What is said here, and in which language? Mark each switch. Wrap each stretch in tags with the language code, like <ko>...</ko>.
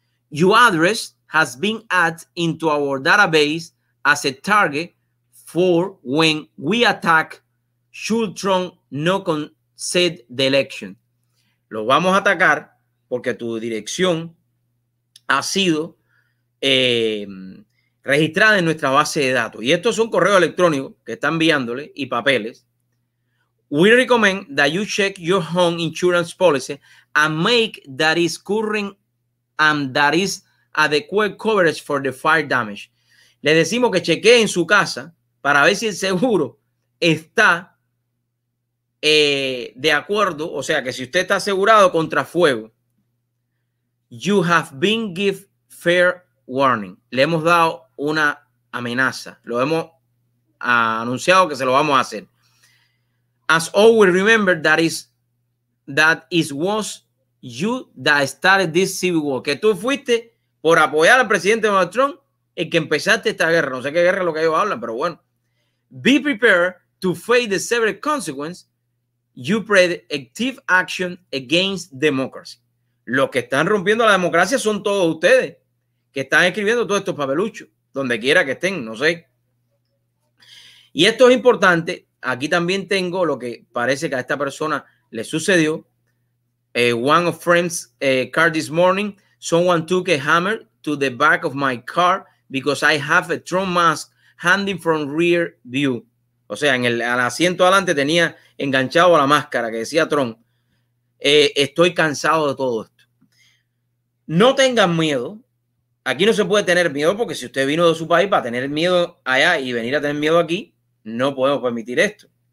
<en>Your address has been added into our database as a target for when we attack, should Trump no concede the election.</en> <es>Lo vamos a atacar porque tu dirección ha sido registrada en nuestra base de datos. Y estos son correos electrónicos que están enviándole y papeles.</es> <en>We recommend that you check your home insurance policy and make that is current and that is adequate coverage for the fire damage.</en> <es>Le decimos que chequee en su casa para ver si el seguro está de acuerdo, o sea, que si usted está asegurado contra fuego.</es> <en>You have been given fair warning.</en> <es>Le hemos dado una amenaza. Lo hemos anunciado que se lo vamos a hacer.</es> <en>As always, remember that it was you that started this civil war.</en> <es>Que tú fuiste por apoyar al presidente Donald Trump el que empezaste esta guerra. No sé qué guerra es lo que ellos hablan, pero bueno.</es> <en>Be prepared to face the severe consequences you predictive action against democracy.</en> <es>Los que están rompiendo la democracia son todos ustedes que están escribiendo todos estos papeluchos, donde quiera que estén, no sé. Y esto es importante. Aquí también tengo lo que parece que a esta persona le sucedió.</es> <en>One of friends car this morning, someone took a hammer to the back of my car because I have a Trump mask hanging from rear view.</en> <es>O sea, en el asiento adelante tenía enganchado la máscara que decía Trump. Estoy cansado de todo esto. No tengan miedo. Aquí no se puede tener miedo porque si usted vino de su país para tener miedo allá y venir a tener miedo aquí, no podemos permitir esto.</es>